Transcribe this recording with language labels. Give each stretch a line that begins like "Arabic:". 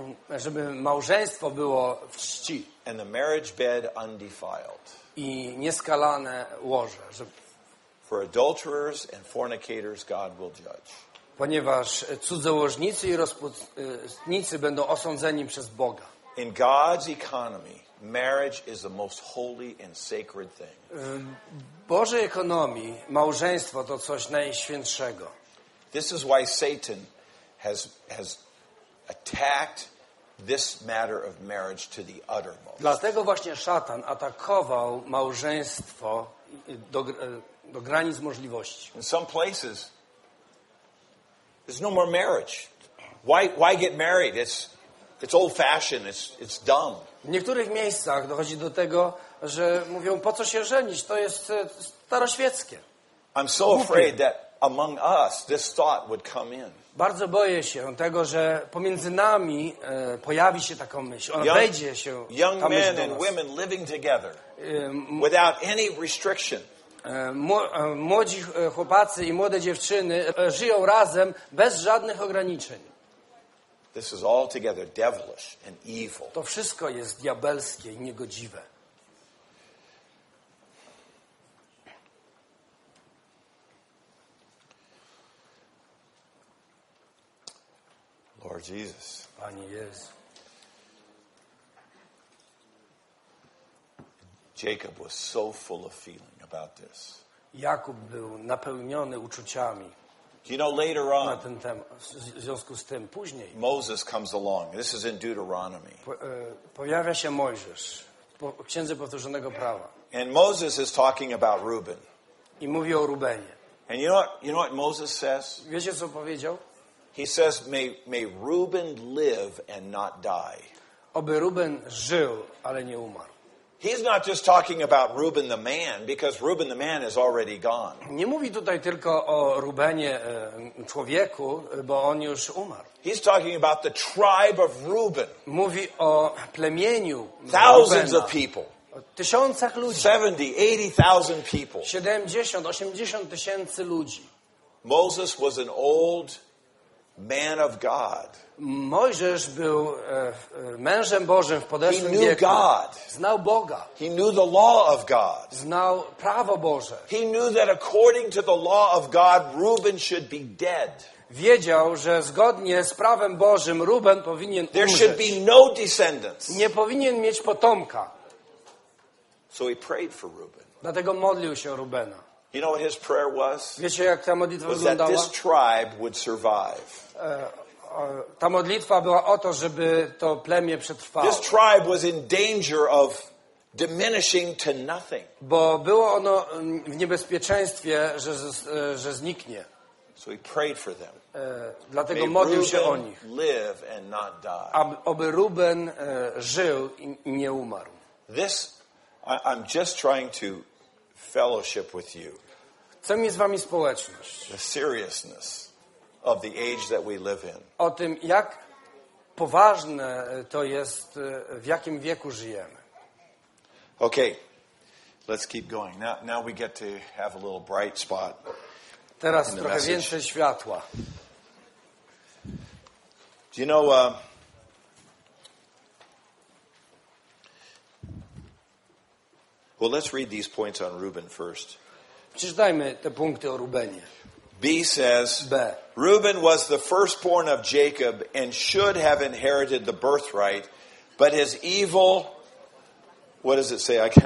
Polish: Żeby małżeństwo było w czci.
English: And the marriage bed undefiled.
Polish: I nieskalane łoże.
English: For adulterers and fornicators, God will judge.
Polish: Ponieważ cudzołożnicy i rozpustnicy będą osądzeni przez Boga.
English: In God's economy, marriage is the most holy and sacred thing.
Polish: W Bożej ekonomii małżeństwo to coś najświętszego.
English: This is why Satan has attacked this matter of marriage to the uttermost.
Polish: Dlatego właśnie szatan atakował małżeństwo do granic możliwości.
English: In some places, there's no more marriage. Why get married? It's old-fashioned. It's dumb.
Polish: W niektórych miejscach dochodzi do tego, że mówią, po co się żenić? To jest staroświeckie.
English: I'm so afraid that among us this thought would come in.
Polish: Bardzo boję się tego, że pomiędzy nami pojawi się taką myśl. Ona wejdzie się ta myśl do nas.
English: Young men and women living together without any restriction.
Polish: Młodzi chłopacy i młode dziewczyny żyją razem bez żadnych ograniczeń.
English: This is altogether devilish and evil.
Polish: To wszystko jest diabelskie i niegodziwe.
English: Lord Jesus.
Polish: Panie Jezu.
English: Jacob was so full of feeling about this.
Polish: Jakub był napełniony uczuciami.
English: You know, later on,
Polish: na ten temat, w związku z tym później,
English: Moses comes along. This is in Deuteronomy.
Polish: Pojawia się Mojżesz w Księdze Powtórzonego Prawa.
English: And Moses is talking about Reuben.
Polish: I mówi o Rubenie.
English: And you know what Moses says?
Polish: Wiecie, co powiedział?
English: He says, may Reuben live and not die.
Polish: Oby Ruben żył, ale nie umarł.
English: He's not just talking about Reuben the man, because Reuben the man is already gone.
Polish: Nie mówi tutaj tylko o Rubenie, człowieku, bo on już umarł.
English: He's talking about the tribe of Reuben.
Polish: Mówi o plemieniu
English: thousands
Polish: Rubena.
English: Of people.
Polish: O tysiącach ludzi.
English: 70,000 people.
Polish: 70-80 tysięcy ludzi.
English: Moses was an old man of God.
Polish: Mojżesz był mężem Bożym w podeszłym wieku.
English: He knew God.
Polish: Znał Boga.
English: He knew the law of God.
Polish: Znał prawo Boże.
English: He knew that according to the law of God, Reuben should be dead.
Polish: Wiedział, że zgodnie z prawem Bożym Reuben powinien umrzeć.
English: There should be no descendants.
Polish: Nie powinien mieć potomka.
English: So he prayed for Reuben.
Polish: Dlatego modlił się o Rubena.
English: You know what his prayer was?
Polish: Wiecie, jak ta modlitwa wyglądała?
English: Was that this tribe would survive.
Polish: Ta modlitwa była o to, żeby to plemię przetrwało.
English: This tribe was in danger of diminishing to nothing.
Polish: Bo było ono w niebezpieczeństwie, że zniknie.
English: So he prayed for them.
Polish: Dlatego modlił się o nich.
English: Live and not die.
Polish: Aby Ruben żył i nie umarł.
English: This, I'm just trying to fellowship with you.
Polish: Chcę mieć z wami społeczność.
English: The seriousness of the age that we live in.
Polish: O tym, jak poważne to jest, w jakim wieku żyjemy.
English: Okay, let's keep going. Now we get to have a little bright spot.
Polish: Teraz trochę więcej światła.
English: Do you know, well, let's read these points on Reuben first.
Polish: Przeczytajmy te punkty o Rubenie.
English: B says, B. Reuben was the firstborn of Jacob and should have inherited the birthright, but his evil, what does it say?